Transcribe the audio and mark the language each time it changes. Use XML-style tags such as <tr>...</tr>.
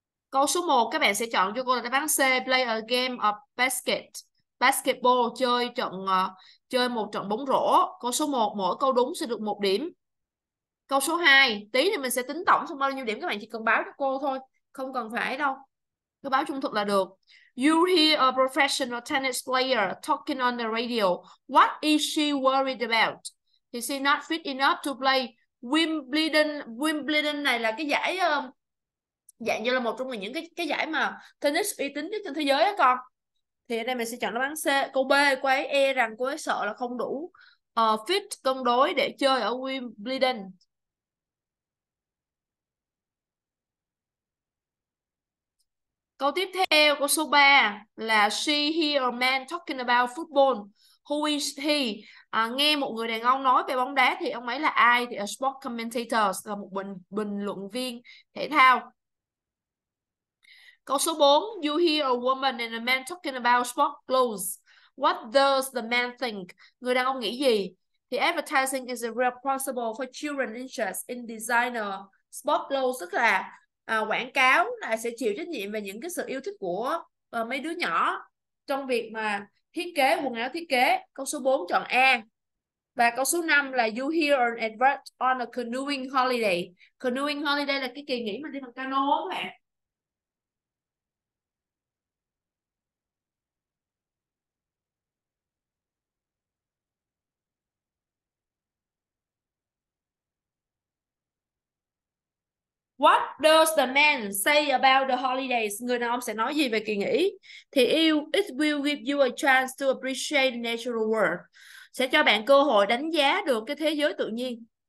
<vi>Câu số 1, các bạn sẽ chọn cho cô là đáp án C,</vi> <en>play a game of basket.</en> <vi>Basketball, chơi một trận bóng rổ. Câu số 1, mỗi câu đúng sẽ được một điểm. Câu số 2, tí thì mình sẽ tính tổng xong bao nhiêu điểm, các bạn chỉ cần báo cho cô thôi, không cần phải đâu. Cứ báo trung thực là được.</vi> <en>You hear a professional tennis player talking on the radio. What is she worried about? Is she not fit enough to play Wimbledon?</en> <vi>Wimbledon này là cái giải dạng như là một trong những cái giải mà tennis uy tín nhất trên thế giới á con. Thì ở đây mình sẽ chọn đáp án C. Câu B, cô ấy e rằng cô ấy sợ là không đủ fit cân đối để chơi ở Wimbledon. Câu tiếp theo, câu số 3 là</vi> <en>she hear a man talking about football. Who is he?</en> <vi>Nghe một người đàn ông nói về bóng đá thì ông ấy là ai? Thì</vi> <en>a sport commentator,</en> <vi>là một bình luận viên thể thao. Câu số 4,</vi> <en>you hear a woman and a man talking about sport clothes. What does the man think?</en> <vi>Người đàn ông nghĩ gì? Thì</vi> <en>advertising is responsible for children interest in designer sport clothes,</en> <vi>tức là quảng cáo là sẽ chịu trách nhiệm về những cái sự yêu thích của mấy đứa nhỏ trong việc mà thiết kế quần áo thiết kế. Câu số 4 chọn A. Và câu số 5 là</vi> <en>you hear an advert on a canoeing holiday.</en> <vi>Canoeing holiday là cái kỳ nghỉ mà đi bằng cano các bạn.</vi> <en>What does the man say about the holidays?</en> <vi>Người nào ông sẽ nói gì về kỳ nghỉ? Thì yêu,</vi> <en>it will give you a chance to appreciate natural world.</en> <vi>Sẽ cho bạn cơ hội đánh giá được cái thế giới tự nhiên.</vi>